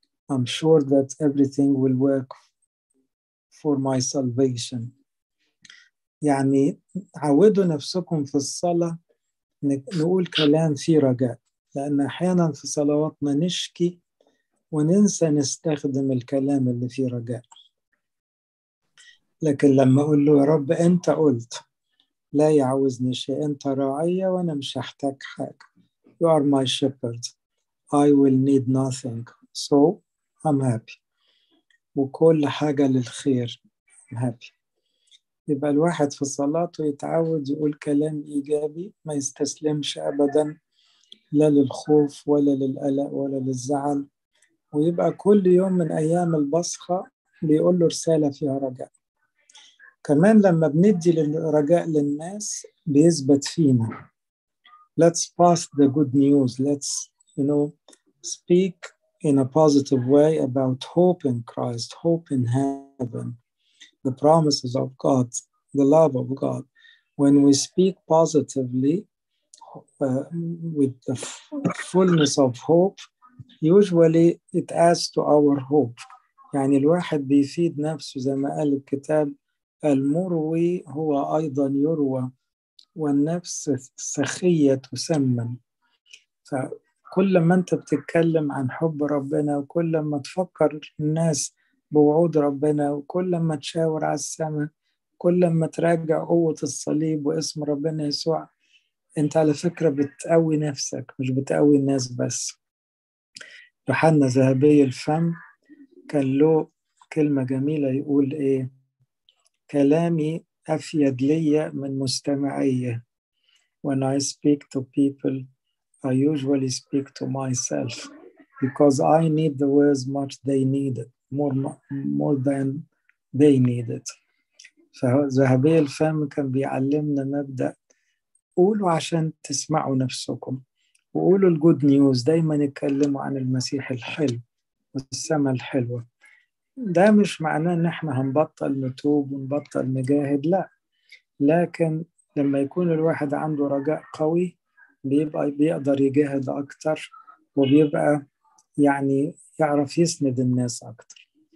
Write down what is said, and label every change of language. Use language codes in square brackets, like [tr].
[en] I'm sure that everything will work for my salvation. [ar] يعني عودوا نفسكم في الصلاة نقول كلام فيه رجاء، لأن أحيانا في صلواتنا نشكي وننسى نستخدم الكلام اللي فيه رجاء. لكن لما أقول له: يا رب أنت قلت لا يعوزني شيء، أنت راعية وأنا مش هحتاج حاجة، [en] You are my shepherd, I will need nothing, so I'm happy. [ar] وكل حاجة للخير، [en] I'm happy. [ar] يبقى الواحد في صلاته يتعود يقول كلام إيجابي، ما يستسلمش أبدا لا للخوف ولا للقلق ولا للزعل، ويبقى كل يوم من أيام البصخة بيقول له رسالة فيها رجاء. كمان لما بندي الرجاء للناس بيثبت فينا. [en] Let's pass the good news. Let's, you know, speak in a positive way about hope in Christ, hope in heaven, the promises of God, the love of God. When we speak positively with the fullness of hope, usually it adds to our hope. [ar] يعني الواحد بيفيد نفسه زي ما قال الكتاب: المروي هو أيضا يروى والنفس السخية تسمن. فكل ما أنت بتتكلم عن حب ربنا، وكل ما تفكر الناس بوعود ربنا، وكل ما تشاور على السماء، كل ما تراجع قوة الصليب واسم ربنا يسوع، أنت على فكرة بتقوي نفسك مش بتقوي الناس بس. يوحنا ذهبي الفم كان له كلمة جميلة يقول إيه: كلامي أفيد لي من مستمعية. [en] When I speak to people, I usually speak to myself because I need the words much they need it, more than they need it. [ar] فذهبي الفم كان بيعلمنا مبدأ: قولوا عشان تسمعوا نفسكم، وقولوا الجود نيوز، دايما اتكلموا عن المسيح الحلو والسماء الحلوة. ده مش معناه ان احنا هنبطل نتوب ونبطل نجاهد، لا، لكن لما يكون الواحد عنده رجاء قوي بيبقى بيقدر يجاهد اكتر، وبيبقى يعني يعرف يسند الناس اكتر.